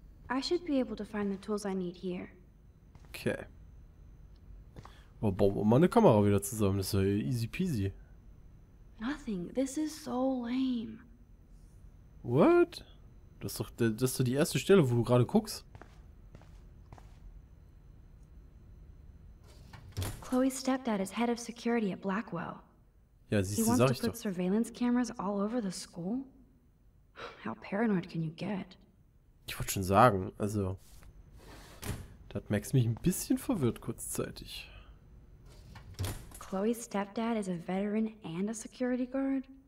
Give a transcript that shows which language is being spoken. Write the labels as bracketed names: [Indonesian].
[English] I should be able to find the tools I need here. Okay. [German] Oh, bauen wir mal eine Kamera wieder zusammen, das ist ja easy peasy. [English] Nothing, this is so lame. What? [German] Das ist doch die erste Stelle, wo du gerade guckst. [English] Chloe's stepdad is head of security at Blackwell. [German] Ja, siehst du, sag ich doch. [English] He wants to put surveillance cameras all over the school? How paranoid can you get? [German] Ich wollte schon sagen, also... Da hat Max mich ein bisschen verwirrt kurzzeitig. [English] Chloe's stepdad is a veteran and a security guard?